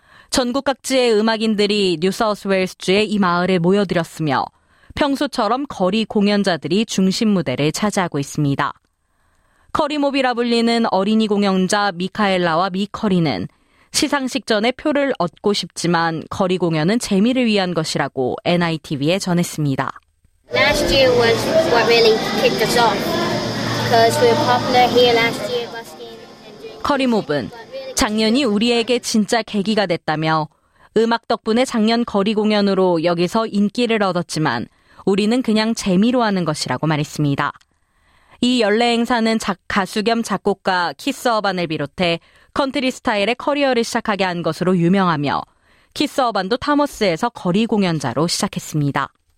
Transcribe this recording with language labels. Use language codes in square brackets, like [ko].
[ko] 전국 각지의 음악인들이 뉴사우스웨일스주의 이 마을에 모여들었으며 평소처럼 거리 공연자들이 중심 무대를 차지하고 있습니다. 커리모비라 불리는 어린이 공연자 미카엘라와 미커리는 시상식 전에 표를 얻고 싶지만 거리 공연은 재미를 위한 것이라고 NITV에 전했습니다. [en] Last year was what really kicked us off because we were popular here last year. [ko] 커리몹은 작년이 우리에게 진짜 계기가 됐다며 음악 덕분에 작년 거리 공연으로 여기서 인기를 얻었지만 우리는 그냥 재미로 하는 것이라고 말했습니다. 이 연례 행사는 가수 겸 작곡가 키스 어반을 비롯해 컨트리 스타일의 커리어를 시작하게 한 것으로 유명하며 키스 어반도 타머스에서 거리 공연자로 시작했습니다.